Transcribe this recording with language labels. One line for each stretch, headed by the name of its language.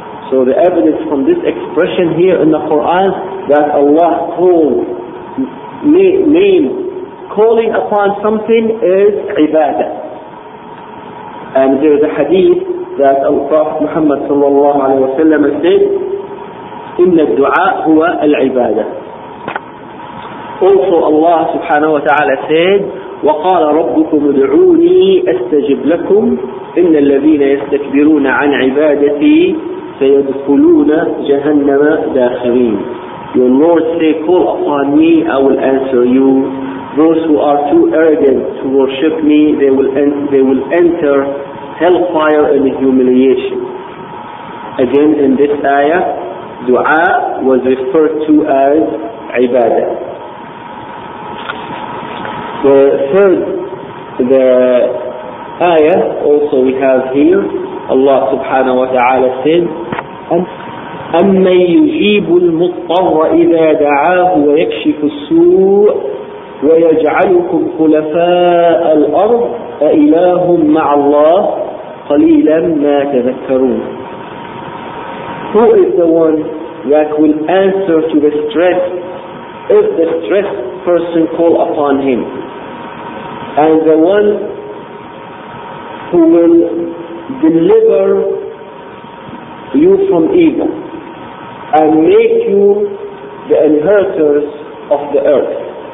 English: So the evidence from this expression here in the Quran that Allah called, name calling upon something is ibadah. And there is a hadith that the Prophet Muhammad sallallahu alayhi wa sallam said,
Arabic: إِنَّ الدُّعَاءُ هُوَ الْعِبَادَةِ.
English: Also Allah subhanahu wa ta'ala said,
Arabic: وَقَالَ رَبُّكُمُ ادْعُونِي أَسْتَجِبْ لَكُمْ إِنَّ الَّذِينَ يَسْتَكْبِرُونَ عَنْ عِبَادَتِي سَيَدْخُلُونَ جَهَنَّمَ دَاخِرِينَ.
English: Your Lord say, call upon me, I will answer you. Those who are too arrogant to worship me, they will enter hellfire in humiliation. Again in this ayah, dua was referred to as ibadah. The third, the ayah also we have here, Allah subhanahu wa ta'ala said,
Arabic: أَمَّنْ يُجِيبُ الْمُطَّرَّ إِذَا دَعَاهُ وَيَكْشِفُ السُّوءَ وَيَجْعَلُكُمْ خُلَفَاءَ الْأَرْضِ أَإِلَاهٌ مَعَ اللَّهِ قَلِيلًا مَا تَذَكَّرُونَ.
English: Who is the one that will answer to the stress if the stressed person call upon him? And the one who will deliver you from evil and make you the inheritors of the earth.